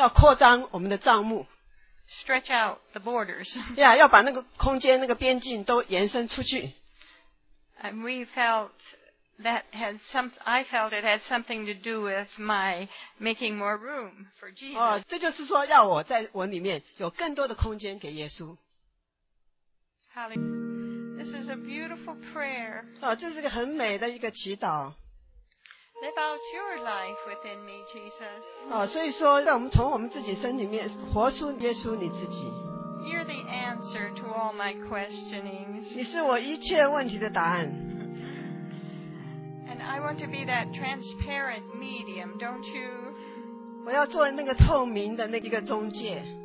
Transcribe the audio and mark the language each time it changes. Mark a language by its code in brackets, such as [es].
[zh] 他说他在给他以赛亚书里面说要扩张我们的帐幕。 [en] Stretch out the borders. [zh] 要把那个空间那个边境都延伸出去。 [en] And we felt that had some, I felt it had something to do with my making more room for Jesus. [zh] 这就是说要我在我里面有更多的空间给耶稣。 [en] Hallelujah. This is a beautiful prayer. [zh] 这是个很美的一个祈祷。 [en] Live out your life within me, Jesus. [zh] 所以说让我们从我们自己身里面活出耶稣你自己。 [en] You're the answer to all my questionings. [zh] 你是我一切问题的答案。 [en] And I want to be that transparent medium, don't you? [zh] 我要做那个透明的那一个中介。